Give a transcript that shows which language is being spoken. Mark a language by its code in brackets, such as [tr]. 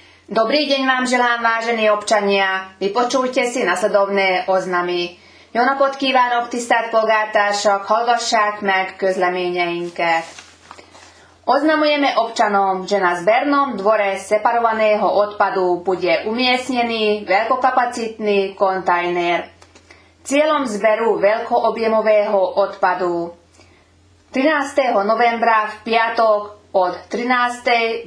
[sk] Dobrý deň vám želám, vážení občania. Vypočujte si nasledovné oznamy. [hu] Jónapot kívánok, tisztelt polgártársak, hallgassák meg közleményeinket. [sk] Oznamujeme občanom, že na zbernom dvore separovaného odpadu bude umiestnený veľkokapacitný kontajner. Cieľom zberu veľkoobjemového odpadu 13. novembra v piatok od 13.